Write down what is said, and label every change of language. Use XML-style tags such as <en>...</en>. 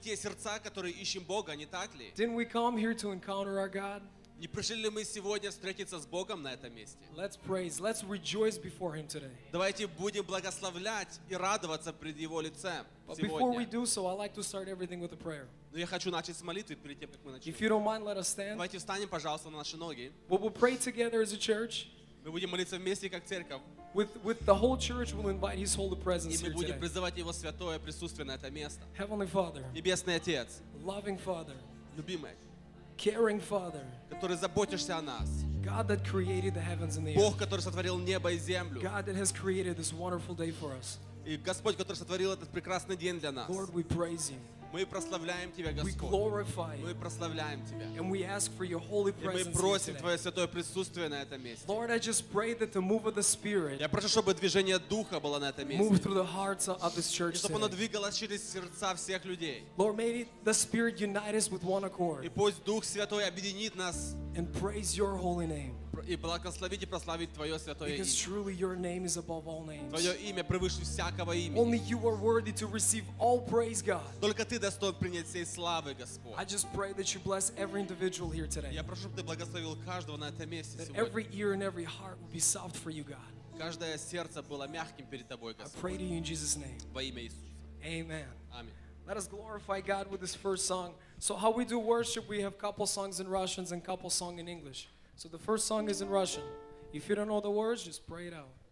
<ru>Те сердца, которые ищем Бога, не так ли?</ru> <en>Didn't we come here to encounter our God?</en> <ru>Не пришли ли мы сегодня встретиться с Богом на этом месте?</ru> <en>Let's praise, let's rejoice before Him today.</en> <ru>Давайте будем благословлять и радоваться пред Его лицем сегодня.</ru> <en>But before we do so, I'd like to start everything with a prayer.</en> <ru>Но я хочу начать с молитвы перед тем, как мы начнем.</ru> <en>If you don't mind, let us stand.</en> <ru>Давайте встанем, пожалуйста, на наши ноги.</ru> <en>We'll pray together as a church.</en> <ru>Мы будем молиться вместе как церковь.</ru> <en>With the whole church, we'll invite His holy presence here today.</en> <ru>И мы будем призывать Его святое присутствие на это место.</ru> <en>Heavenly Father.</en> <ru>Небесный Отец.</ru> <en>Loving Father.</en> <ru>Любимый.</ru> <en>Caring Father.</en> <ru>Который заботишься о нас.</ru> <en>God that created the heavens and the earth.</en> <ru>Бог, который сотворил небо и землю.</ru> <en>God that has created this wonderful day for us.</en> <ru>И Господь, который сотворил этот прекрасный день для нас.</ru> <en>Lord, we praise You.</en> <ru>Мы прославляем Тебя, Господь.</ru> <en>We glorify You.</en> <ru>Мы прославляем Тебя.</ru> <en>And we ask for Your holy presence.</en> <ru>И мы просим Твое святое присутствие на этом месте.</ru> <en>Lord, I just pray that the move of the Spirit.</en> <ru>Я прошу, чтобы движение Духа было на этом месте.</ru> <en>Move through the hearts of this church.</en> <ru>И чтобы оно двигалось через сердца всех людей.</ru> <en>Lord, may the Spirit unite us with one accord.</en> <ru>И пусть Дух Святой объединит нас.</ru> <en>And praise Your holy name.</en> <ru>И благословить и прославить Твое святое имя.</ru> <en>Because truly Your name is above all names.</en> <ru>Твое имя превыше всякого имени.</ru> <en>Only You are worthy to receive all praise, God.</en> <ru>Только Ты достоин принять всей славы, Господь.</ru> <en>I just pray that You bless every individual here today.</en> <ru>Я прошу, чтобы Ты благословил каждого на этом месте сегодня.</ru> <en>That every ear and every heart will be soft for You, God.</en> <ru>Каждое сердце было мягким перед Тобой, Господь.</ru> <en>I pray to You in Jesus' name.</en> <ru>Во имя Иисуса.</ru> <en>Amen. Amen. Let us glorify God with this first song. So how we do worship, we have couple songs in Russian and couple song in English. So the first song is in Russian. If you don't know the words, just pray it out.</en>